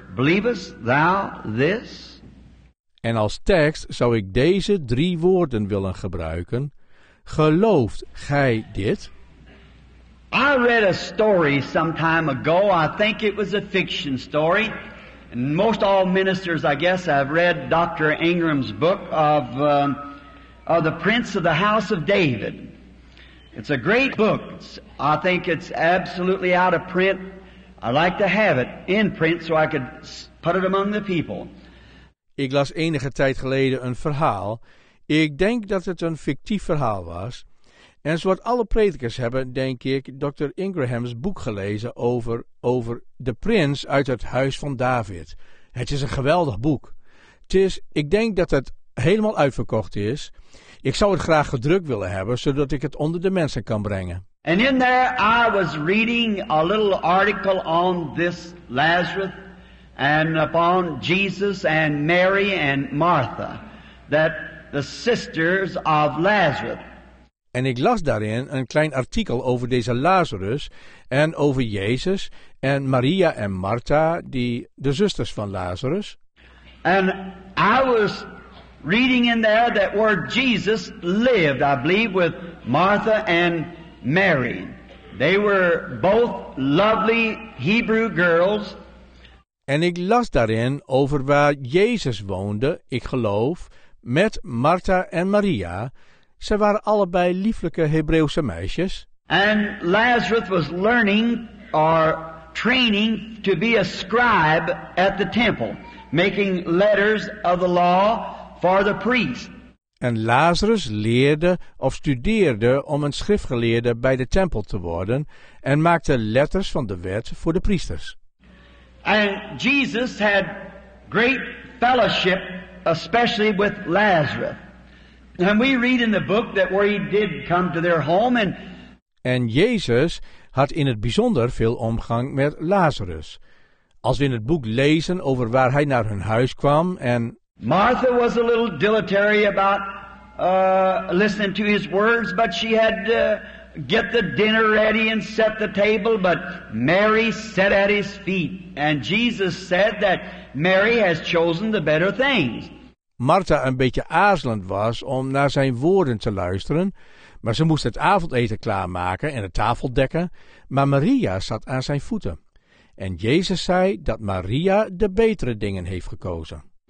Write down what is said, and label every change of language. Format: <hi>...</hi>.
<en>Believest thou this?</en> <nl>En als tekst zou ik deze drie woorden willen gebruiken. Gelooft gij dit?</nl> <en>I read a story some time ago. I think it was a fiction story. And most all ministers, I guess, have read Dr. Ingram's book of The Prince of the House of David. It's a great book. I think it's absolutely out of print. I like to have it in print so I could put it among the people.</en> <nl>Ik las enige tijd geleden een verhaal. Ik denk dat het een fictief verhaal was. En zoals alle predikers hebben, denk ik, Dr. Ingraham's boek gelezen over de prins uit het huis van David. Het is een geweldig boek. Ik denk dat het helemaal uitverkocht is. Ik zou het graag gedrukt willen hebben, zodat ik het onder de mensen kan brengen.</nl> <en>And in there I was reading a little article on this Lazarus. And upon Jesus and Mary and Martha, that the sisters of Lazarus.</en> <nl>En ik las daarin een klein artikel over deze Lazarus en over Jezus en Maria en Martha, die de zusters van Lazarus.</nl> <en>And I was reading in there that where Jesus lived, I believe, with Martha and Mary. They were both lovely Hebrew girls.</en> <nl>En ik las daarin over waar Jezus woonde, ik geloof, met Martha en Maria. Ze waren allebei lieflijke Hebreeuwse meisjes.</nl> <en>And Lazarus was learning or training to be a scribe at the temple, making letters of the law for the priest.</en> <nl>En Lazarus leerde of studeerde om een schriftgeleerde bij de tempel te worden en maakte letters van de wet voor de priesters.</nl> <en>And Jesus had great fellowship, especially with Lazarus. And we read in the book that where he did come to their home and...</en> <nl>En Jezus had in het bijzonder veel omgang met Lazarus. Als we in het boek lezen over waar hij naar hun huis kwam en...</nl> <en>Martha was a little dilatory about listening to his words, but she had to get the dinner ready and set the table, but Mary sat at his feet. And Jesus said that Mary has chosen the better things.</en> <nl>Martha een beetje aarzelend was om naar zijn woorden te luisteren, maar ze moest het avondeten klaarmaken en de tafel dekken, maar Maria zat aan zijn voeten. En Jezus zei dat Maria de betere dingen heeft gekozen.</nl>